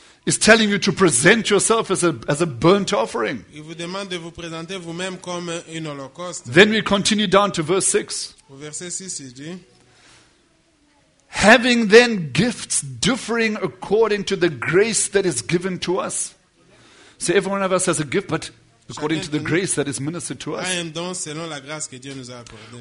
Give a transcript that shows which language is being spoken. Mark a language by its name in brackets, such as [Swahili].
[English] Is telling you to present yourself as a burnt offering. [French] Il vous demande de vous présenter vous-même comme un holocauste. [English] Then we continue down to verse 6. [French] Au verset 6, il dit: [English] having then gifts differing according to the grace that is given to us. So every one of us has a gift, but according to the grace that is ministered to us. [French] Un don selon la grâce que Dieu nous a accordé.